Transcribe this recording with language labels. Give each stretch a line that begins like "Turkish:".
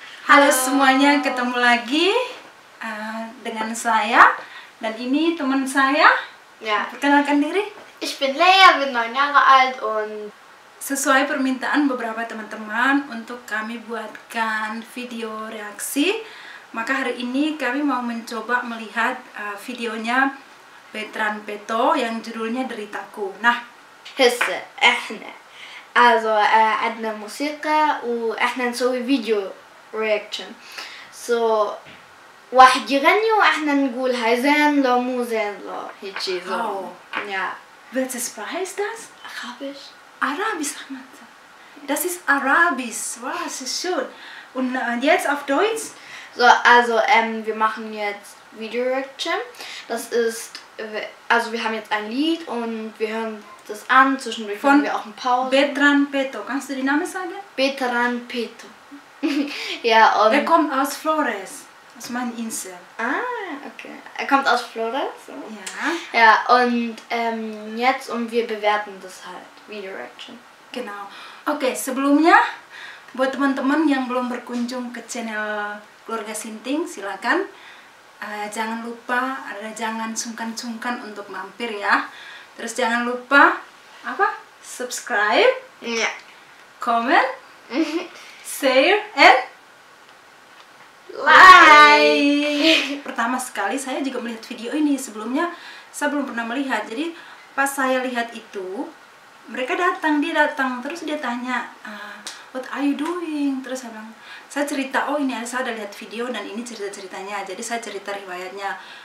Indonesian: Halo semuanya, ketemu lagi dengan saya. Dan ini teman saya, ya. Perkenalkan diri.
German: Ich bin Leia, bin 9 Jahre alt und
Indonesian: sesuai permintaan beberapa teman-teman untuk kami buatkan video reaksi, maka hari ini kami mau mencoba melihat videonya Veteran Beto yang judulnya Deritaku. Nah, hisse ehne. Also, adna musika u ehne nsowi video reaction. So, wahid yigani u ehne ngul hai zain lo mu zain lo hichi zo. Ya.
German: Welche Sprache ist das? Arabisch. Arabisch, Ahmad. Das ist Arabisch. Wow, das ist schön. Und jetzt auf Deutsch? So, also wir machen jetzt Video Reaction. Das ist, also wir haben jetzt ein Lied und wir hören das an. Zwischendurch machen wir auch eine Pause. Von Veteran Beto. Kannst du den Namen sagen? Veteran Beto. Ja, und er kommt aus Flores. Aus meiner Insel. Ah, okay. Er kommt aus Florenz. So. Ja. Ja, und jetzt und wir bewerten das halt. Video Reaction. Genau.
Indonesian: Okay, sebelumnya buat teman-teman yang belum berkunjung ke channel Keluarga Sinting, silakan jangan lupa jangan sungkan-sungkan untuk mampir ya. Terus jangan lupa apa? Subscribe. Iya.
English: Comment. Share and like.
Indonesian: Pertama sekali saya juga melihat video ini. Sebelumnya saya belum pernah melihat. Jadi pas saya lihat itu, mereka datang, dia datang. Terus dia tanya,
English: what are you doing?
Indonesian: Terus saya cerita, oh ini saya ada lihat video dan ini cerita-ceritanya. Jadi saya cerita riwayatnya.